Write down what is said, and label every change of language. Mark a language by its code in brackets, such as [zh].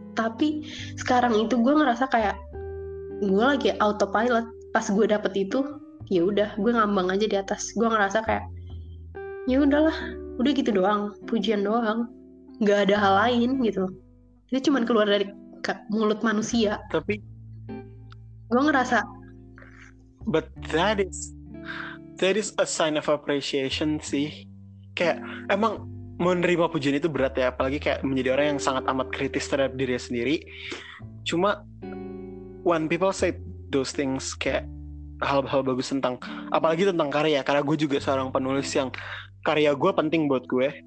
[id] Tapi sekarang itu gue ngerasa kayak gue lagi autopilot. Pas gue dapet itu, ya udah, gue ngambang aja di atas. Gue ngerasa kayak, ya udahlah, udah gitu doang, pujian doang, nggak ada hal lain gitu. Itu cuma keluar dari mulut manusia. Tapi gue ngerasa, [en] but that is a sign of appreciation sih. [id] Kayak emang menerima pujian itu berat ya, apalagi kayak menjadi orang yang sangat amat kritis terhadap diri sendiri. Cuma [en] when people say those things, [id] kayak hal-hal bagus tentang, apalagi tentang karya, karena gue juga seorang penulis yang karya gue penting buat gue.